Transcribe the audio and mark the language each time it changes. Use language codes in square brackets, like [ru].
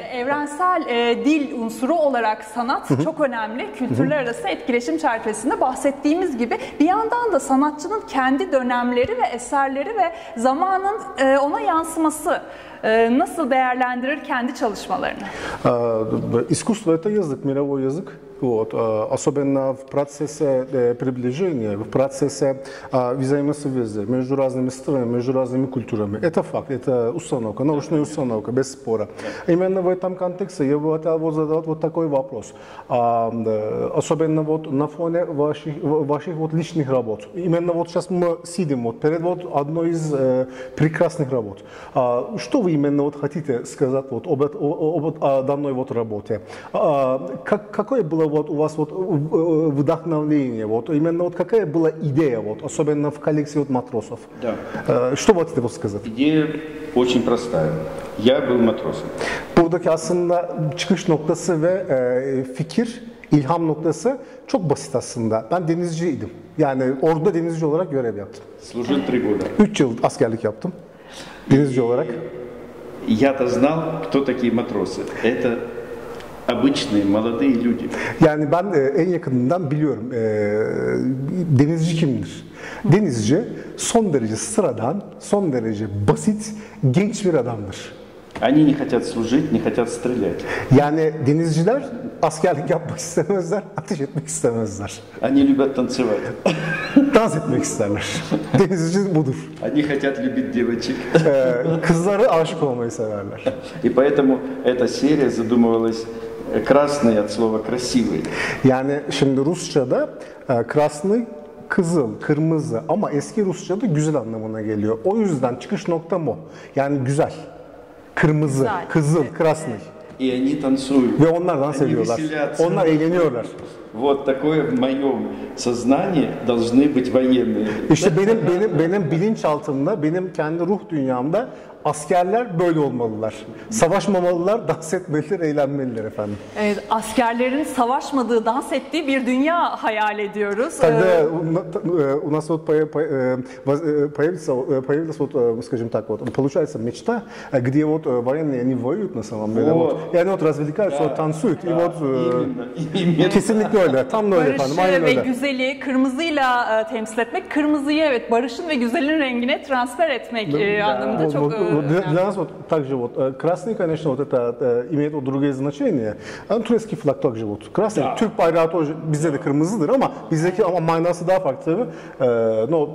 [tr] Evrensel dil unsuru olarak sanat Hı-hı. çok önemli. Kültürler Hı-hı. arası etkileşim çerçevesinde bahsettiğimiz gibi bir yandan da sanatçının kendi dönemleri ve eserleri ve zamanın ona yansıması. Nasıl değerlendirir kendi çalışmalarını? [ru] İskustva это язык, мировой язык. Вот, особенно в процессе приближения, в процессе взаимосвязи между разными странами, между разными культурами. Это факт, это установка, научная установка, без спора. Именно в этом контексте я бы хотел вот задать вот такой вопрос. Особенно вот на фоне ваших вот личных работ. Именно вот сейчас мы сидим вот перед вот одной из прекрасных работ. Что вы именно вот хотите сказать вот о данной вот работе? Какое было вот у вас вот вдохновение, вот именно вот какая была идея, вот особенно в коллекции вот матросов? Да. Что вы хотите вот сказать? Идея очень простая. Я был матросом. [tr] Buradaki aslında çıkış noktası ve fikir, ilham noktası çok basit aslında. Ben denizciydim. Yani orada denizci olarak görev yaptım. [ru] Служил 3 года. [tr] 3 yıl askerlik yaptım. Denizci olarak. [ru] Я-то знал, кто такие матросы. Это обычные молодые люди. [tr] Yani ben en yakınından biliyorum. Denizci kimdir? Denizci son derece sıradan, son derece basit genç bir adamdır. [ru] Они не хотят служить, не хотят стрелять. [tr] Yani denizciler askerlik yapmak istemezler, ateş etmek istemezler. [ru] Они любят танцевать. [tr] Dans etmek isterler. Denizci budur. [ru] Они хотят любить девочек. [tr] Kızları aşık olmayı severler. [ru] И поэтому эта серия задумывалась красный от слова красивый. [tr] Yani şimdi Rusça'da красный kızıl, kırmızı ama eski Rusça'da güzel anlamına geliyor. O yüzden çıkış nokta bu. Yani güzel. Kırmızı, güzel. Kızıl, красный. [ru] И они танцуют. [tr] Ve onlar dans ediyorlar. Onlar eğleniyorlar. [ru] Вот такое в моём сознании должны быть военные. [tr] İşte benim bilinçaltımda, benim kendi ruh dünyamda askerler böyle olmalılar. Savaşmamalılar, dans etmeliler, eğlenmeliler efendim. Evet, askerlerin savaşmadığı, dans ettiği bir dünya hayal ediyoruz. [ru] Тогда у нас вот появилась вот, скажем так, вот получается мечта, где вот военные они воюют на самом деле. Вот. И они вот развлекаются, вот танцуют. И вот кесенник [tr] öyle, tam da öyle efendim. Barışı ve güzeli kırmızıyla temsil etmek, kırmızıyı evet barışın ve güzelin rengine transfer etmek anlamında çok. [ru] Для нас вот также вот красный, конечно, вот это имеет вот другое значение. Турецкий флаг также вот красный. Да. [tr] Türk bayrağı [ru] тоже [tr] bizde de kırmızıdır ama bizdeki ama manası daha farklı tabii.